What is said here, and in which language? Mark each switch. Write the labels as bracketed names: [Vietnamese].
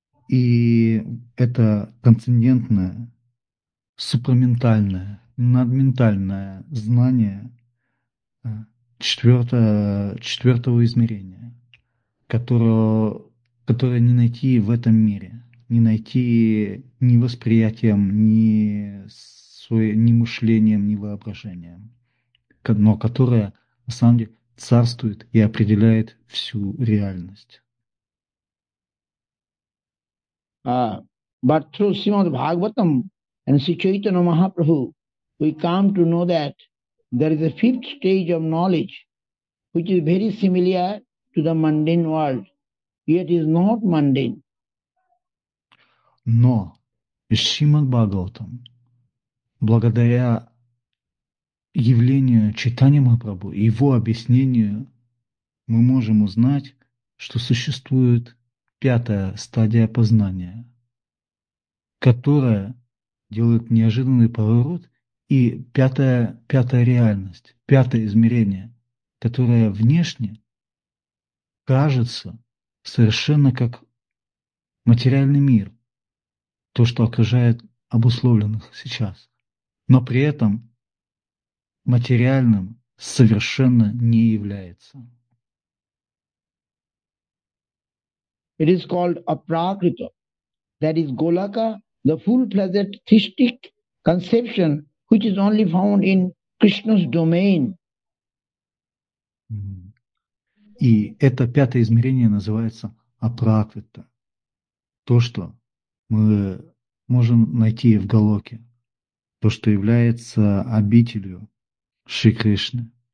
[Russian] И это трансцендентное, супраментальное, надментальное знание четвертого измерения, которое не найти в этом мире, не найти ни восприятием, ни мышлением, ни воображением, но которое на самом деле царствует и определяет всю реальность. [English] But through Srimad Bhagavatam and Sri Chaitanya Mahaprabhu, we come to know that there is a fifth stage of knowledge which is very similar to the mundane world, yet is not mundane. [Russian] Но Шримад-Бхагаватам, благодаря явлению Чайтанья Махапрабху и его объяснению, мы можем узнать, что существует пятая стадия познания, которая делает неожиданный поворот, и пятая реальность, пятое измерение, которое внешне кажется совершенно как материальный мир, то, что окружает обусловленных сейчас, но при этом материальным совершенно не является. [English] It is called aprakrita, that is Goloka, the full-fledged theistic conception which is only found in Krishna's domain. [Russian] И это пятое измерение называется апракрита. То, что мы можем найти в Галоке, то, что является обителью Шри Кришны.